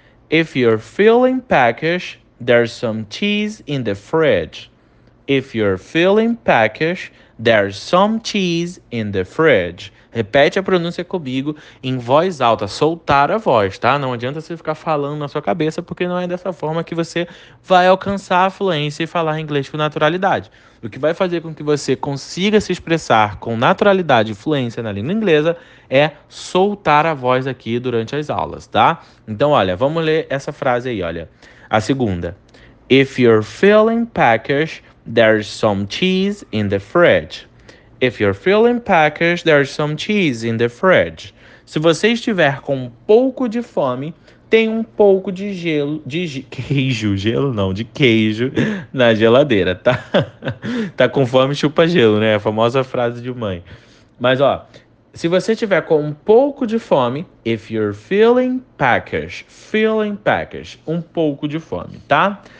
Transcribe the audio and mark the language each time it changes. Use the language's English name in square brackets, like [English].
[English] If you're feeling peckish, there's some cheese in the fridge. If you're feeling peckish, there's some cheese in the fridge. [Portuguese] Repete a pronúncia comigo em voz alta, soltar a voz, tá? Não adianta você ficar falando na sua cabeça, porque não é dessa forma que você vai alcançar a fluência e falar inglês com naturalidade. O que vai fazer com que você consiga se expressar com naturalidade e fluência na língua inglesa é soltar a voz aqui durante as aulas, tá? Então, olha, vamos ler essa frase aí, olha. A segunda. [English] If you're feeling peckish, there's some cheese in the fridge. If you're feeling peckish, there's some cheese in the fridge. [Portuguese] Se você estiver com um pouco de fome, tem um pouco de gelo, de queijo, gelo não, de queijo na geladeira, tá? Tá com fome, chupa gelo, né? A famosa frase de mãe. Mas ó, se você estiver com um pouco de fome, [English] if you're feeling peckish, [Portuguese] um pouco de fome, tá?